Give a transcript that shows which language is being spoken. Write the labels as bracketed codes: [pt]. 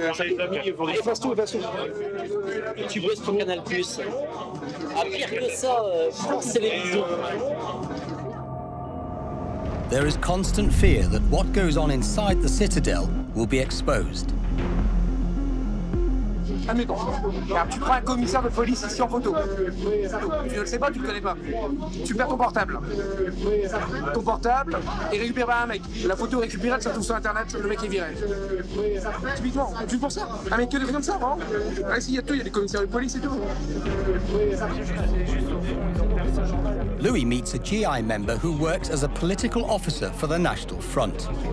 [fr] Allez, passe tout, passe tout. Tu bosses pour Canal Plus. Ah, pire que ça, France Télévisions. [en] There is constant fear that what goes on inside the Citadel will be exposed. [fr] Ah, mais bon. Alors, tu prends un commissaire de police ici en photo. Tu ne le sais pas, tu ne le connais pas. Tu perds ton portable. Ton portable est récupéré par un mec. La photo est récupérée, ça tombe sur Internet, le mec est viré. Typiquement, tu penses ça? Ah, mais que des trucs comme ça, vraiment? Ah, ici, il y a tout, il y a des commissaires de police et tout. [en] Louis meets a GI member who works as a political officer for the National Front.